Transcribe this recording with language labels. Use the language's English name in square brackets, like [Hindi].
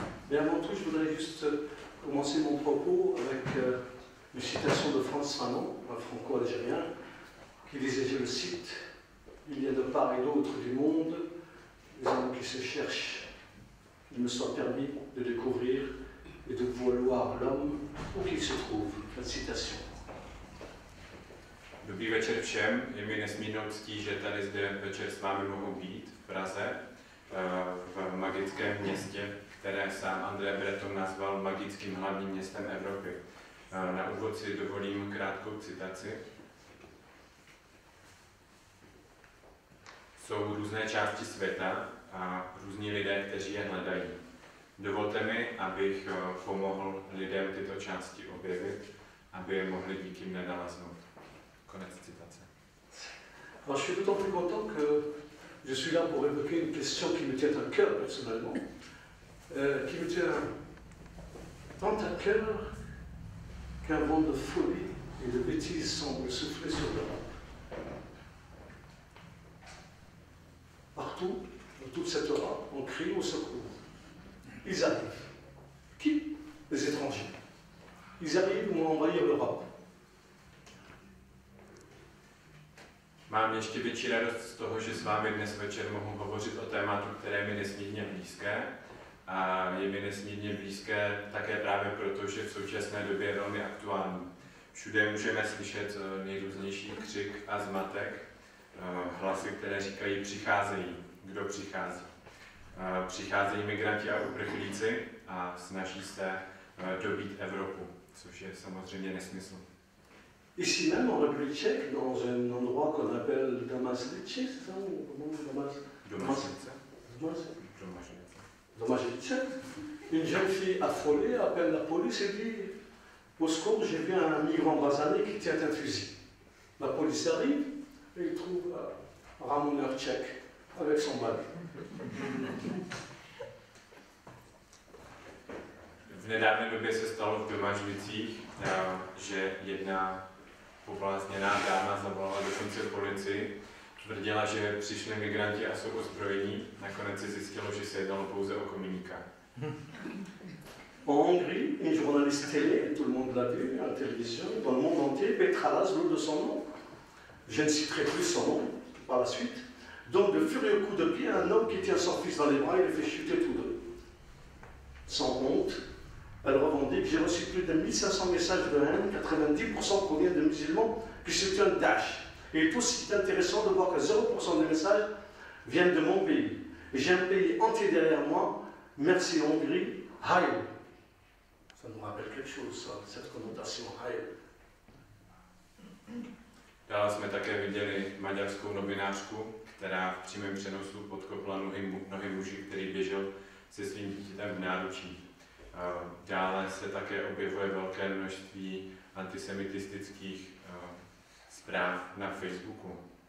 [French] Mais avant tout, je voudrais juste commencer mon propos avec une citation de Frantz Fanon, un franco-algérien, qui disait, je le cite, il y a de part et d'autre du monde des hommes qui se cherchent. Il me soit permis de découvrir et de vouloir l'homme où qu'il se trouve. La citation. [Czech] Dobrý večer všem. Je mi nesmírnou ctí, že tady zde večer s vámi mohu být v Praze, v magickém městě, které sám André Breton nazval magickým hlavním městem Evropy. Na úvod si dovolím krátkou citaci. Jsou různé části světa a různí lidé, kteří je hledají. Dovolte mi, abych pomohl lidem tyto části objevit, aby je mohli díky mně naleznout. Konec citace. [French] Je suis d'autant plus content que je suis là pour évoquer une question qui me tient à cœur personnellement, qui me tient tant à cœur qu'un vent de folie et de bêtises semble souffler sur l'Europe. Partout, dans toute cette Europe, on crie au secours. Ils arrivent. Qui ? Les étrangers. Ils arrivent pour envahir l'Europe. [Czech] Mám ještě větší radost z toho, že s vámi dnes večer mohu hovořit o tématu, které mi nesmírně blízké. A je mi nesmírně blízké také právě proto, že v současné době je velmi aktuální. Všude můžeme slyšet nejrůznější křik a zmatek. Hlasy, které říkají, přicházejí. Kdo přichází? přicházejí migranti a uprchlíci a snaží se dobít Evropu, což je samozřejmě nesmysl. [French] Ici même en République tchèque, dans un endroit qu'on appelle Domažlice, c'est ça ou comment [Czech] Domažlice. [French] Une jeune fille affolée appelle la police et dit au secours, j'ai vu un migrant brasané qui tient un fusil. La police arrive et il trouve un ramoneur tchèque avec son balai. [Czech] V nedávné době se stalo v Domažlicích, že jedna povlastněná dáma zavolala dokonce policii, tvrdila, že přišli migranti a jsou ozbrojení. Nakonec se zjistilo, že se jednalo pouze o kominíka. [French] En Hongrie, une journaliste télé, tout le monde l'a vu, à la télévision, dans le monde entier, Petra Laszlo de son nom. Je ne citerai plus son nom par la suite. Donc, de furieux coups de pied, un homme qui tient son fils dans les bras et le fait chuter tous deux. Sans honte, elle revendique, j'ai reçu plus de 1500 messages de haine, 90% provient de musulmans qui soutiennent Daesh. Et tout aussi intéressant de voir que 0% des messages viennent de mon pays. J'ai un pays entier derrière moi, merci Hongrie, Heil. Ça nous rappelle quelque chose, ça, cette connotation Heil. [Czech] Dále jsme také viděli maďarskou novinářku, která v přímém přenosu podkopla nohy muži, který běžel se svým dítětem v náručí. Dále se také objevuje velké množství antisemitistických zpráv na Facebooku.